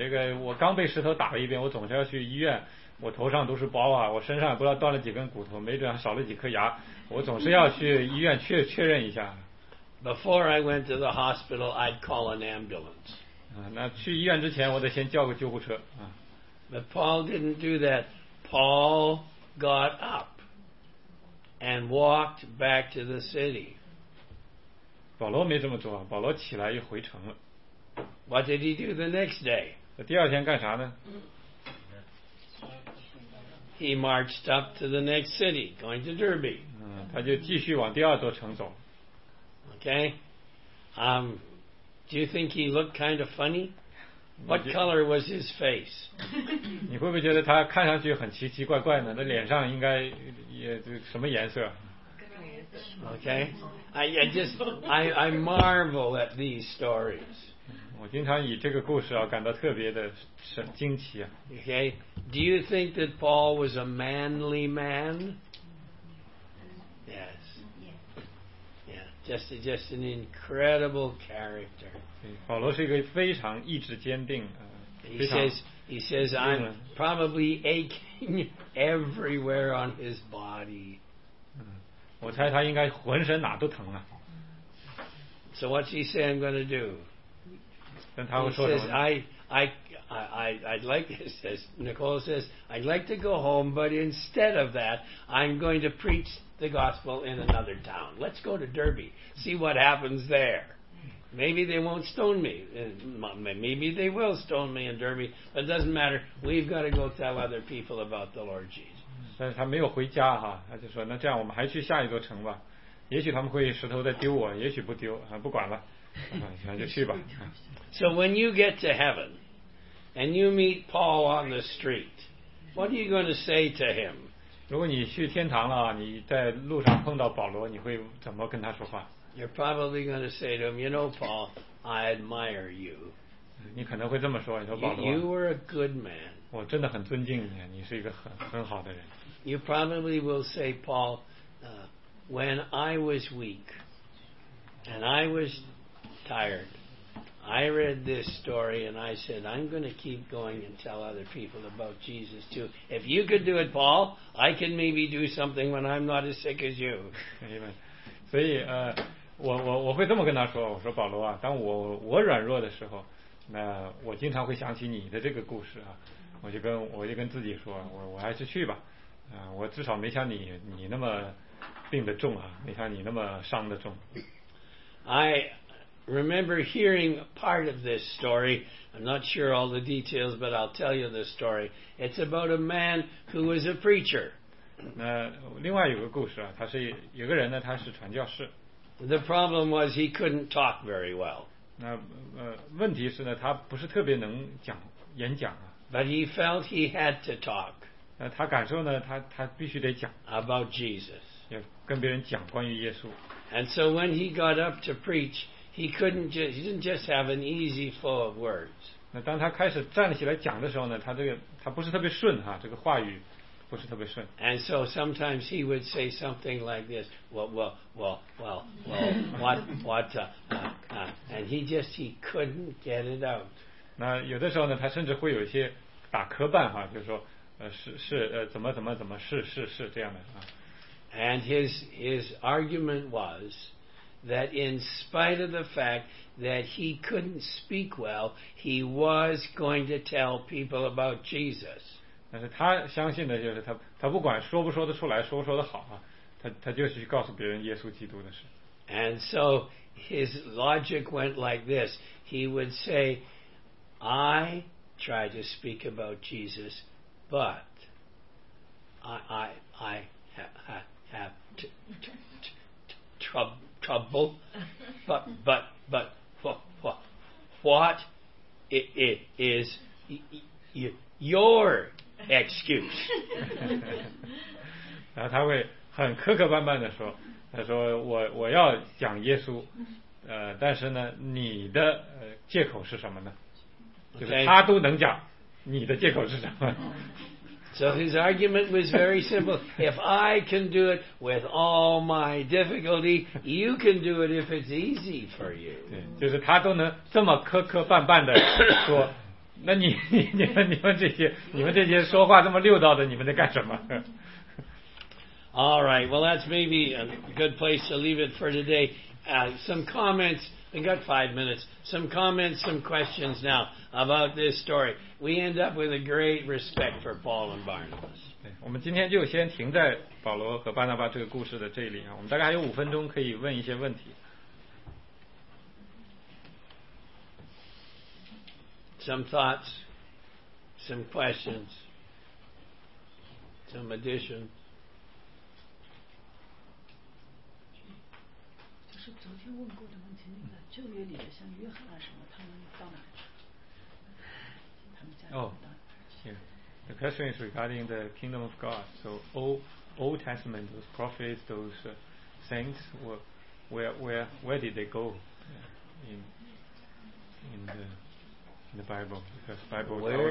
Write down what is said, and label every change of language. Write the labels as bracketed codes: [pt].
[zh] 这个我刚被石头打了一遍，我总是要去医院。我头上都是包啊，我身上不知道断了几根骨头，没准少了几颗牙，我总是要去医院确认一下。 [en] Before I went to the hospital, I'd call an ambulance. [zh] 那去医院之前，我得先叫个救护车啊。 [en] But Paul didn't do that. Paul got up and walked back to the city. [zh] 保罗没这么做，保罗起来又回城了。 [en] What did he do the next day? [zh] 第二天干啥呢？ [en] He marched up to the next city, going to Derbe. [zh] 他就继续往第二座城走。 [en] Okay. Do you think he looked kind of funny? What color was his face? [zh] 你会不会觉得他看上去很奇奇怪怪呢？那脸上应该也什么颜色？ [en] Okay. I marvel at these stories. [zh] 我经常以这个故事啊感到特别的惊奇啊。 [en] Okay, do you think that Paul was a manly man? Yes. Yeah, just an incredible character. [zh] 保罗是一个非常意志坚定。 [en] He says, I'm probably aching everywhere on his body. [zh] 我猜他应该浑身哪都疼了。 [en] So what's he say I'm going to do? Nicole says, I'd like to go home, but instead of that, I'm going to preach the gospel in another town. Let's go to Derby, see what happens there. Maybe they won't stone me. Maybe they will stone me in Derby. But it doesn't matter. We've got to go tell other people about the Lord Jesus. [zh] 但是他没有回家哈，他就说那这样我们还去下一座城吧。也许他们会石头再丢我，也许不丢，不管了，就去吧。 [en] So when you get to heaven and you meet Paul on the street, what are you going to say to him? [zh] 如果你去天堂了，你在路上碰到保罗，你会怎么跟他说话？ [en] You're probably going to say to him, you know, Paul, I admire you. [zh] 你可能会这么说，你说保罗。 [en] You were a good man. [zh] 我真的很尊敬你，你是一个很好的人。 [en] You probably will say, Paul, when I was weak and I was tired, I read this story and I said, I'm going to keep going and tell other people about Jesus too. If you could do it, Paul, I can maybe do something when I'm not as sick as you. Amen. [zh] 所以我会这么跟他说，我说保罗啊，当我软弱的时候，那我经常会想起你的这个故事啊，我就跟自己说，我还是去吧，我至少没像你那么病得重啊，没像你那么伤得重。 [en] I remember hearing part of this story. I'm not sure all the details, but I'll tell you the story. It's about a man who was a preacher. [zh] 那另外有个故事啊，他是有个人呢，他是传教士。 [en] The problem was he couldn't talk very well. [zh] 那问题是呢，他不是特别能讲演讲啊。 [en] But he felt he had to talk. [zh] 那他感受呢，他必须得讲。 [en] About Jesus. [zh] 要跟别人讲关于耶稣。 [en] And so when he got up to preach, he didn't just have an easy flow of words. [zh] 那当他开始站起来讲的时候呢，他不是特别顺哈，这个话语不是特别顺。 [en] And so sometimes he would say something like this, and he couldn't get it out. [zh] 那有的时候呢，他甚至会有一些打磕绊哈，就是说怎么怎么怎么是这样的啊。 [en] And his argument was that in spite of the fact that he couldn't speak well, he was going to tell people about Jesus. [zh] 但是他相信的就是他不管说不说得出来，说不说得好啊，他就是去告诉别人耶稣基督的事。 [en] And so his logic went like this. He would say, I try to speak about Jesus, but I have trouble. But what it is your excuse. [zh] 然后他会很磕磕绊绊的说，他说我要讲耶稣，但是呢，你的借口是什么呢？就是他都能讲，你的借口是什么？ [en] So his argument was very simple. If I can do it with all my difficulty, you can do it if it's easy for you. [zh] 对，就是他都能这么磕磕绊绊的说。那你们这些说话这么溜叨的，你们在干什么？ [en] All right, well, that's maybe a good place to leave it for today. Some comments, we got 5 minutes. Some comments, some questions now about this story. We end up with a great respect for Paul and Barnabas. [zh] 我们今天就先停在保罗和巴拿巴这个故事的这里，我们大概还有5分钟可以问一些问题。 [en] Some thoughts, some questions, some additions. [zh] 就是昨天问过的问题，那个旧约里的像约翰啊什么，他们到哪去？他们家。 [en] The question is regarding the kingdom of God. So Old Testament, those prophets, those saints, where did they go in the Bible, because Bible where